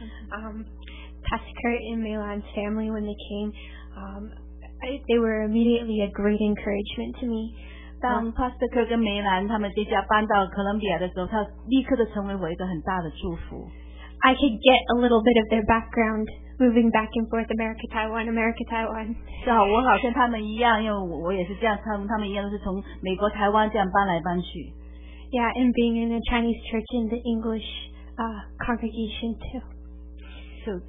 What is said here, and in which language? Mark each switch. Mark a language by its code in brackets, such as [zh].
[en] Pastor Kurt and Milan's family, when they came, they were immediately a great encouragement to me. When Pastor Kurt and Milan, I could get a little bit of their background moving back and forth, America, Taiwan, America, Taiwan. [zh] 是啊，我好像他们一样，因为我也是这样，他们一样都是从美国台湾这样搬来搬去。 [en] Yeah, and being in a Chinese church in the English congregation too.